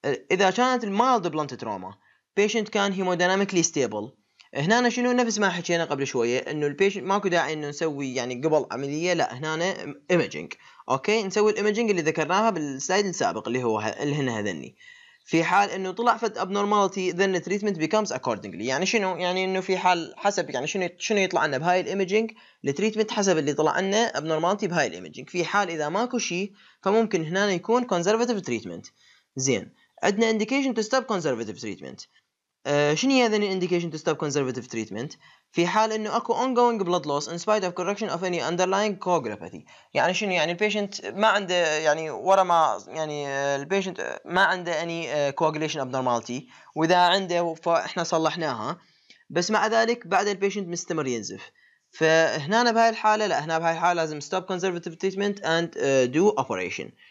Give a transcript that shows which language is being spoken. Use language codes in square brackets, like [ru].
[ar] اذا كانت المايلد بلانت تروما بيشنت كان هيمودينامكلي ستيبل، هنا شنو؟ نفس ما حكينا قبل شويه انه البيشنت ماكو داعي انه نسوي يعني قبل عمليه، لا هنا ايمجينج. اوكي نسوي الايمجينج اللي ذكرناها بالسلايد السابق اللي هو اللي هنا هذني. في حال انه طلع فد [en] abnormality then the treatment becomes accordingly. [ar] يعني شنو؟ يعني انه في حال حسب يعني شنو يطلع لنا بهاي الايمجينج التريتمنت حسب اللي طلع لنا abnormality بهاي الايمجينج. في حال اذا ماكو شيء فممكن هنا يكون conservative treatment. زين عندنا [en] indication to stop conservative treatment. [ar] شنو هي ذني [en] indication to stop conservative treatment؟ [ar] في حال انه اكو [en] ongoing blood loss in spite of correction of any underlying coagulopathy. [ar] يعني شنو؟ يعني البيشنت ما عنده يعني ورا ما يعني البيشنت ما عنده any coagulation abnormality واذا عنده فاحنا صلحناها بس مع ذلك بعد البيشنت مستمر ينزف. فهنا بهاي الحالة لا هنا بهاي الحالة لازم [en] stop conservative treatment and do operation.